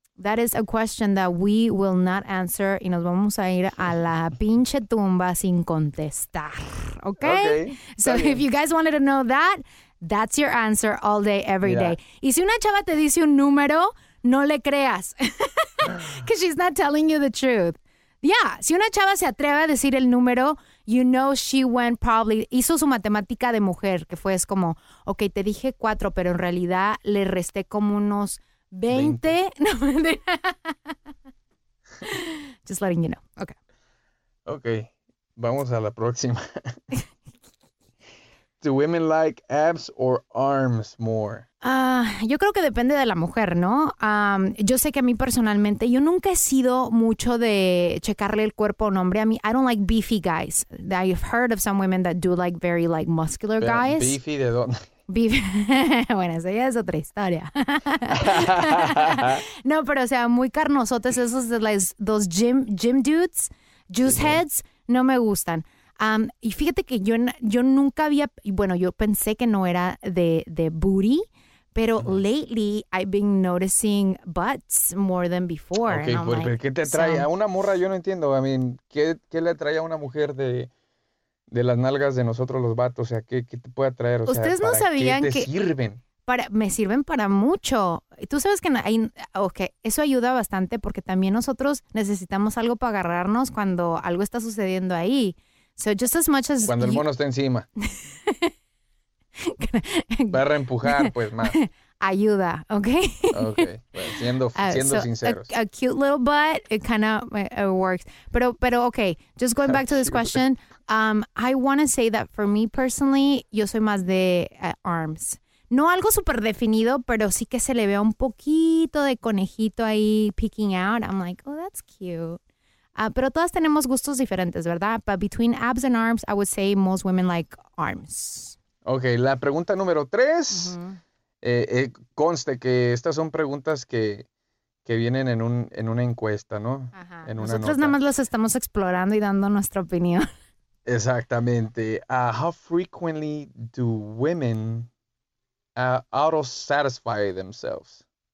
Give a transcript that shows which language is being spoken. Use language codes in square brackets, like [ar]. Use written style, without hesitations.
[en] That is a question that we will not answer [es] y nos vamos a ir a la pinche tumba sin contestar, okay? So bien. [en] If you guys wanted to know that, that's your answer all day, every day. [es] Y si una chava te dice un número, no le creas. [en] Because she's not telling you the truth. [es] Yeah, si una chava se atreve a decir el número, [en] you know she went probably, [es] hizo su matemática de mujer, que fue es como, okay, te dije 4, pero en realidad le resté como unos 20. [en] No, just letting you know. Okay. [es] Okay, vamos a la próxima. [en] do women like abs or arms more? [es] Yo creo que depende de la mujer, ¿no? Yo sé que a mí personalmente, yo nunca he sido mucho de checarle el cuerpo a un hombre. A mí, [en] I don't like beefy guys. I've heard of some women that do like very like muscular guys. [es] Beefy de dónde? Bueno, esa ya es otra historia. No, pero o sea, muy carnosotes esos de las, dos [en] gym dudes, juice heads, [es] no me gustan. Y fíjate que yo nunca había, bueno, yo pensé que no era de booty, pero [en] lately I've been noticing butts more than before. [es] Okay, pero like, ¿qué te trae a una morra? Yo no entiendo, I mean, ¿qué le trae a una mujer de las nalgas de nosotros los vatos? O sea, ¿qué te puede atraer? O sea, ¿ustedes no sabían que te sirven? Me sirven para mucho. Tú sabes que hay, okay, eso ayuda bastante porque también nosotros necesitamos algo para agarrarnos cuando algo está sucediendo ahí. [en] So just as much as [es] cuando el mono está encima. Para empujar, pues, más. Ayuda, ¿ok? Ok, bueno, siendo sinceros. [en] A cute little butt, it kind of works. Pero, ok, just going back to this question, I want to say that for me personally, [es] yo soy más de arms. No algo súper definido, pero sí que se le vea un poquito de conejito ahí [en] peeking out. I'm like, oh, that's cute. [es] Pero todas tenemos gustos diferentes, ¿verdad? [en] But between abs and arms, I would say most women like arms. [es] Ok, la pregunta número 3. Conste que estas son preguntas que vienen en una encuesta, ¿no? Ajá. En una nosotros nota. Nada más las estamos explorando y dando nuestra opinión. Exactamente. [en] How frequently do women auto-satisfy themselves?